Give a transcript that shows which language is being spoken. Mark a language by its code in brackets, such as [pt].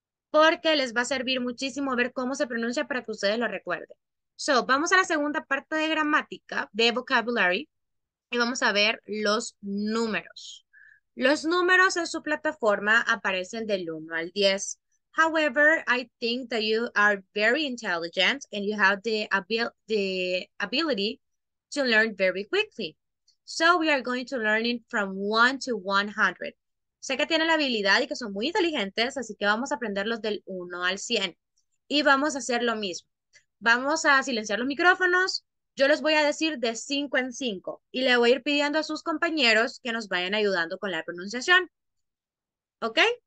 [es] Porque les va a servir muchísimo ver cómo se pronuncia para que ustedes lo recuerden. So, vamos a la segunda parte de gramática, de vocabulary, y vamos a ver los números. Los números en su plataforma aparecen del 1 al 10. [en] However, I think that you are very intelligent and you have the ability to learn very quickly. So we are going to learn it from 1 to 100. [es] Sé que tienen la habilidad y que son muy inteligentes, así que vamos a aprenderlos del 1 al 100. Y vamos a hacer lo mismo. Vamos a silenciar los micrófonos. Yo les voy a decir de 5 en 5 y le voy a ir pidiendo a sus compañeros que nos vayan ayudando con la pronunciación. ¿Ok?